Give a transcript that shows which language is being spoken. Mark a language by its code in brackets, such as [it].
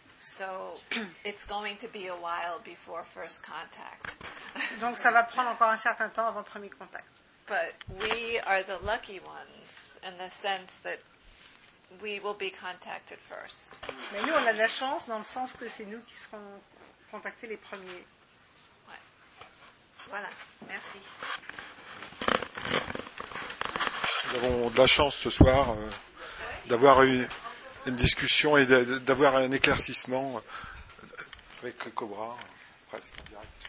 [en] So it's going to be a while before first contact. [fr] Donc ça va prendre encore un certain temps avant le premier contact. [en] But we are the lucky ones in the sense that we will be contacted first. [fr] Mais nous on a la chance dans le sens que c'est nous qui serons contactés les premiers. Ouais. Voilà, merci. Nous avons de la chance ce soir d'avoir une discussion et d'avoir un éclaircissement avec Cobra, presque en direct.